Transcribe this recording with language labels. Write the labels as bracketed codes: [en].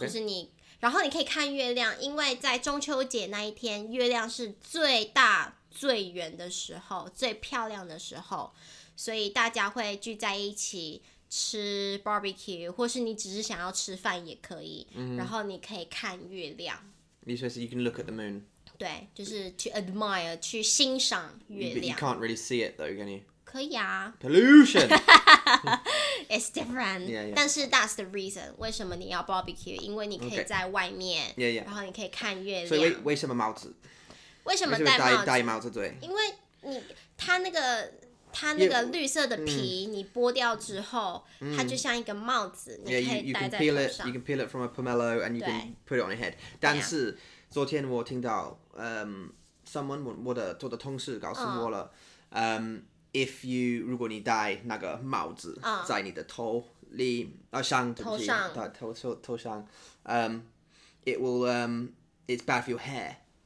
[zh] 就是你，然后你可以看月亮，因为在中秋节那一天，月亮是最大最圆的时候，最漂亮的时候，所以大家会聚在一起吃 barbecue， 或是你只是想要吃饭也可以、嗯。然后你可以看月亮。 [en] You say you can look at the moon. [zh] 对，就是 [en] to admire [zh] 去欣赏月亮。 [en] But you can't really see it though, can you? [zh] 可以啊。 [en] Pollution. It's different. Yeah, yeah. [zh] 但是 [en] that's the reason [zh] 为什么你要 barbecue， 因为你可以在外面， [en] okay. yeah, yeah. [zh] 然后你可以看月亮。所以为什么帽子？为什么戴帽子？戴帽子对。因为你它那个绿色的皮， [en] yeah, [zh] 你剥掉之后， mm. 它就像一个帽子， [en] yeah, [zh] 你可以戴在头上。 [en] You can peel it. You can peel it from a pomelo and you can put it on your head. [zh] 但是、 [en] yeah. [zh] 昨天我听到 [en] someone [zh] 我的同事告诉我了、 [en] if you [zh] 如果你戴那个帽子在你的头里、上对不起头上 [en] it will it's bad for your hair、